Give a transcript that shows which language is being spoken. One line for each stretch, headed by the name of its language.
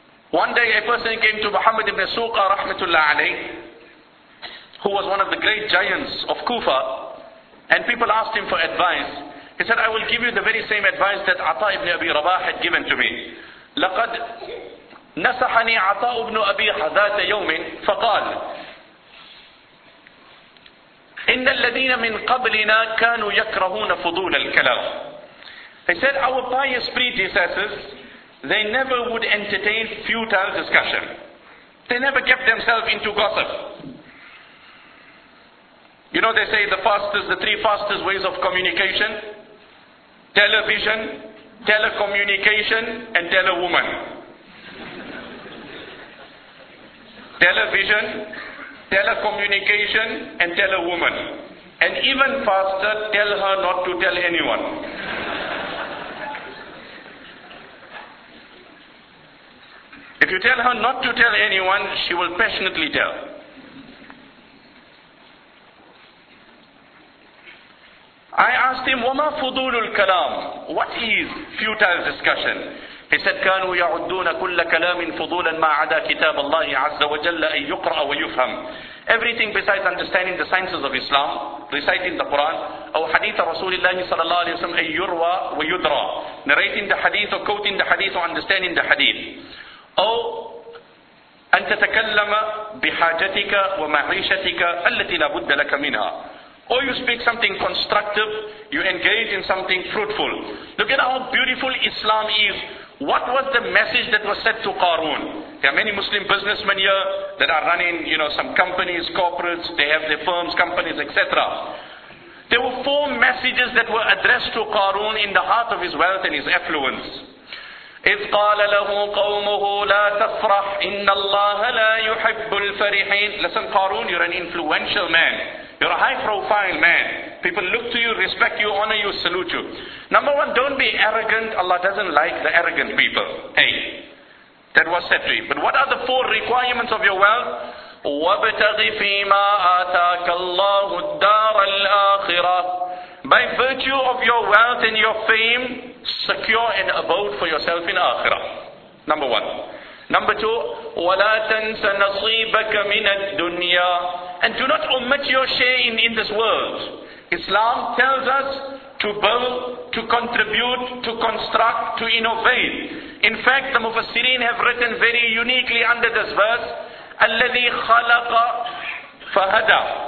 English: One day a person came to Muhammad ibn Suqa rahmatullah alayh, who was one of the great giants of Kufa, and people asked him for advice. He said, I will give you the very same advice that Atha ibn Abi Rabah had given to me.
Arabic: لَقَدْ نَسَحَنِي عَطَاء ابْنُ أَبِي حَذَاتَ يَوْمٍ فَقَالْ إِنَّ الَّذِينَ مِنْ قَبْلِنَا كَانُوا يَكْرَهُونَ فُضُولَ الْكَلَامِ.
English: He said, our pious predecessors, they never would entertain futile discussion. They never kept themselves into gossip. You know, they say the three fastest ways of communication: television, telecommunication, and telewoman. Television, telecommunication, and telewoman. And even faster, tell her not to tell anyone. If you tell her not to tell anyone, she will passionately tell. I asked him,
Arabic: وَمَا فُضُولُ الْكَلَامِ.
English: What is futile discussion? He said,
Arabic: كَانُوا يَعُدُّونَ كُلَّ كَلَامٍ فُضُولًا مَا عَدَى كِتَابَ اللَّهِ عَزَّ وَجَلَّ أَن يُقْرَأَ وَيُفْهَمْ.
English: Everything besides understanding the sciences of Islam, reciting the Quran,
Arabic: أو حديث رسول الله صلى الله عليه وسلم أن يروى ويدرى.
English: Narrating the hadith or quoting the hadith or understanding the hadith.
Arabic: أو أن تتكلم بحاجتك ومعيشتك التي لا بد لك منها.
English: Or you speak something constructive, you engage in something fruitful. Look at how beautiful Islam is. What was the message that was said to Qarun? There are many Muslim businessmen here that are running, you know, some companies, corporates, they have their firms, companies, etc. There were 4 messages that were addressed to Qarun in the heart of his wealth and his affluence.
Arabic: إِذْ قَالَ لَهُ قَوْمُهُ لَا تَفْرَحْ إِنَّ اللَّهَ لَا يُحِبُّ الْفَرِحِينَ.
English: Listen, Qarun, you're an influential man. You're a high profile man. People look to you, respect you, honor you, salute you. Number one, don't be arrogant. Allah doesn't like the arrogant people. Hey, that was said to you. But what are the 4 requirements of your wealth?
Arabic: وَابْتَغِ فِيمَا آتَاكَ اللَّهُ الدَّارَ الْآخِرَةِ.
English: By virtue of your wealth and your fame, secure an abode for yourself in Akhirah. Number one. Number 2,
Arabic: وَلَا تَنْسَ نَصِيبَكَ مِنَ الدُّنْيَا.
English: And do not omit your share in this world. Islam tells us to build, to contribute, to construct, to innovate. In fact, the Mufassirin have written very uniquely under this verse,
Arabic: أَلَّذِي خَلَقَ فَهَدَى.